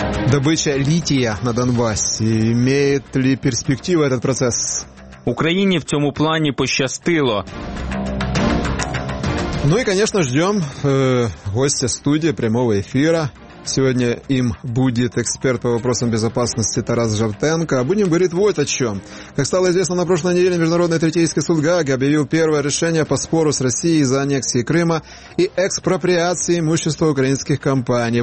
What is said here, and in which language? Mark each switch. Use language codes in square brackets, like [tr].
[ru] Добыча лития на Донбассе. Имеет ли перспективу этот процесс? [uk] Украине в цьому плані пощастило. [ru] Ну и, конечно, ждем гостя студии прямого эфира. Сегодня им будет эксперт по вопросам безопасности Тарас Жавтенко. Будем говорить вот о чем. Как стало известно на прошлой неделе, Международный Третейский суд Гааги объявил первое решение по спору с Россией за аннексии Крыма и экспроприации имущества украинских компаний.